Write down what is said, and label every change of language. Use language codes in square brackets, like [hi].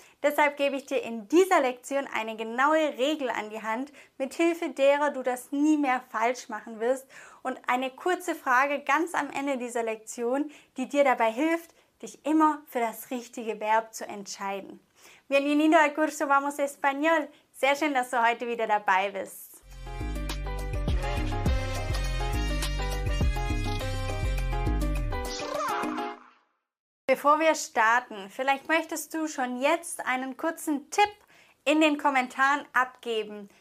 [de] Deshalb gebe ich dir in dieser Lektion eine genaue Regel an die Hand, mit Hilfe derer du das nie mehr falsch machen wirst, und eine kurze Frage ganz am Ende dieser Lektion, die dir dabei hilft, dich immer für das richtige Verb zu entscheiden. [es] Bienvenido al curso Vamos Español. [de] Sehr schön, dass du heute wieder dabei bist. Bevor wir starten, vielleicht möchtest du schon jetzt einen kurzen Tipp in den Kommentaren abgeben.